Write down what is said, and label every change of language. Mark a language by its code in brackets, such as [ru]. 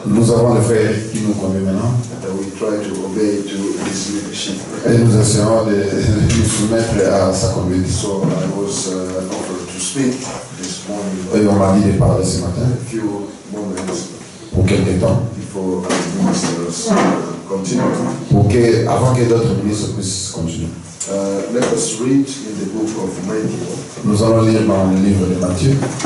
[fr] Nous avons le frère qui nous conduit maintenant. [en] And we try to obey to his leadership. [fr] Et nous essayons de nous soumettre à sa conduite. [en] So I was offered to speak this morning. [fr] Et on m'a dit de parler ce matin. [en] A few moments. [fr] Pour quelques temps. [en] Before the ministers continue. [fr] Pour que, avant que d'autres ministres puissent continuer. [en] Let us read in the book of Matthew. [fr] Nous allons lire dans le livre de Matthieu.